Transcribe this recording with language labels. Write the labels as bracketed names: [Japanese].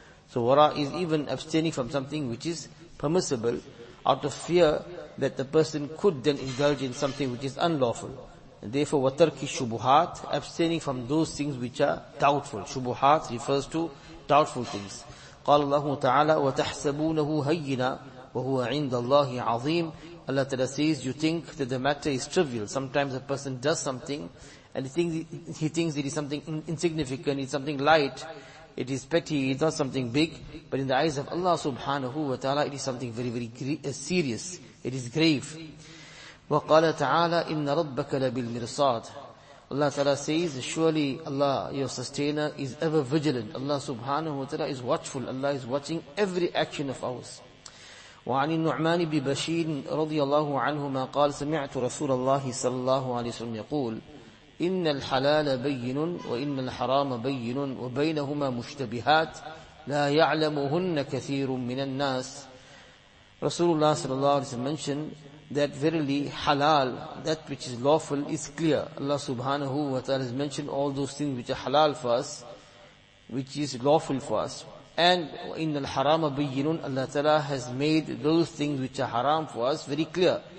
[English] So wara' is even abstaining from something which is permissible out of fear that the person could then indulge in something which is unlawful. And therefore, [Arabic] watarki shubuhat, [English] abstaining from those things which are doubtful. Shubuhat refers to doubtful things. [Arabic] قال الله تعالى وتحسبونه هينا وهو عند الله عظيم. [English] Allah Ta'ala says, you think that the matter is trivial. Sometimes a person does something and he thinks it is something insignificant, it is something light. It is petty, it's not something big, but in the eyes of Allah subhanahu wa ta'ala, it is something very, very serious. It is grave. [Arabic] وَقَالَ تَعَالَى إِنَّ رَبَّكَ لَبِالْمِرْصَادِ [English] Allah ta'ala says, surely Allah, your sustainer, is ever vigilant. Allah subhanahu wa ta'ala is watchful. Allah is watching every action of ours. [Arabic] وَعَنِ النُّعْمَانِ بِبَشِيرٍ رَضِيَ اللَّهُ عَنْهُمَا قَالَ سَمِعْتُ رَسُولَ اللَّهِ صَلَى اللَّهُ عَلَيْهِ وَسَلَّمَ يَقُولُ إن الحلال بين وإن الحرام بين وبينهما مشتبهات لا يعلمهن كثير من الناس. [English] Rasulullah sallallahu alaihi wasallam mentioned that verily halal, that which is lawful, is clear. Allah subhanahu wa ta'ala has mentioned all those things which are halal for us, which is lawful for us. And [Arabic] in al-harama bayyinun, [English] Allah ta'ala has made those things which are haram for us very clear.